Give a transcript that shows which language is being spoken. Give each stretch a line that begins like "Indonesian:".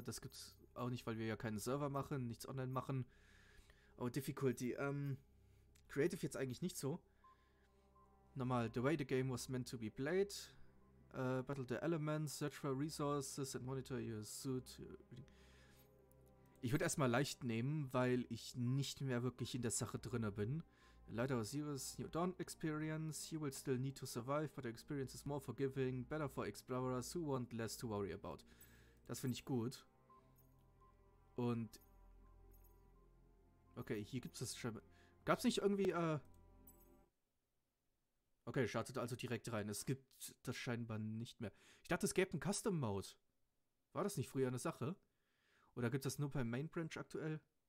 German: Das gibt's auch nicht, weil wir ja keinen Server machen, nichts online machen. Oh, Difficulty. Creative jetzt eigentlich nicht so.
English: Nochmal, the way the game was meant to be played. Battle the elements, search for resources and monitor your suit.
German: Ich würde erstmal leicht nehmen, weil ich nicht mehr wirklich in der Sache drin bin. Leider Osiris New Dawn experience.
English: You will still need to survive, but the experience is more forgiving. Better for explorers who want less to worry about.
German: Das finde ich gut. Und... Okay, hier gibt's das schon... Gab's nicht irgendwie, Okay, startet also direkt rein. Es gibt das scheinbar nicht mehr. Ich dachte, es gäbe einen Custom-Mode. War das nicht früher eine Sache? Oder gibt's das nur beim Main-Branch aktuell?